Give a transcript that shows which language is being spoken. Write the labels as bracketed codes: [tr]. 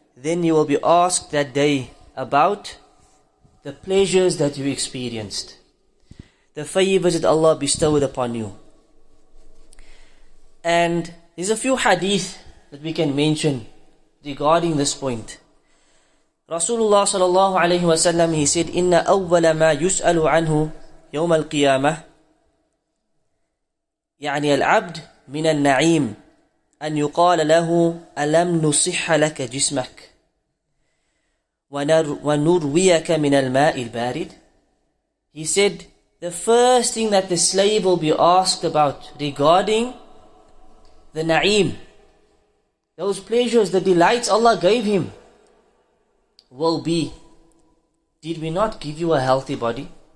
[en] Then you will be asked that day about the pleasures that you experienced, the favors that Allah bestowed upon you. And there's a few hadith that we can mention regarding this point. [ar] Rasulullah sallallahu alayhi wa sallam, [en] he said, [ar] "Inna awwala ma yus'alu anhu yawm al-qiyamah, يعني العبد من النعيم أن يقال له ألم نصح لك جسمك ونرويك من الماء البارد." [en] He said, the first thing that the slave will be asked about regarding the na'im, those pleasures, the delights Allah gave him, will be, did we not give you a healthy body?